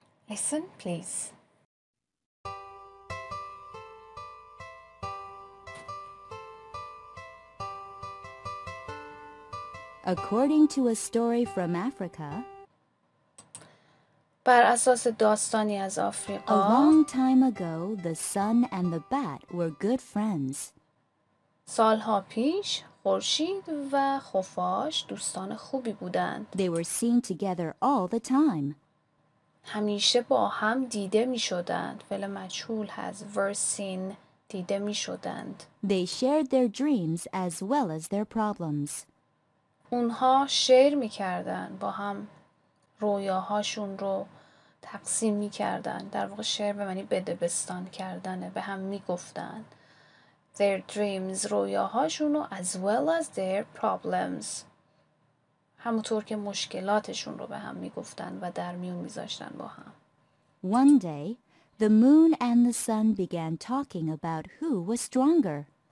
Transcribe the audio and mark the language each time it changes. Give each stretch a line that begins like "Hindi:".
English: Listen please. According to a story from Africa,
Persian: با بر اساس داستانی از آفریقا.
English: A long time ago, the sun and the bat were good friends.
Persian: سالها پیش خورشید و خفاش دوستان خوبی بودند.
English: They were seen together all the time.
Persian: همیشه با هم دیده می شدند. فعل مجهول هست.
English: Were seen.
Persian: دیده می شدند.
English: They shared their dreams as well as their problems.
Persian: اونها شیر می کردند. با هم رویاهاشون رو تقسیم می کردند. در واقع شیر به معنی بدبستان کردنه. به هم می گفتند.
English: Their dreams,
Persian: رویاهاشونو,
English: as well as their problems.
Persian: همونطور که مشکلاتشون رو به هم میگفتن و در میون میذاشتن با هم.
English: One day, the moon and the sun began talking about who was stronger.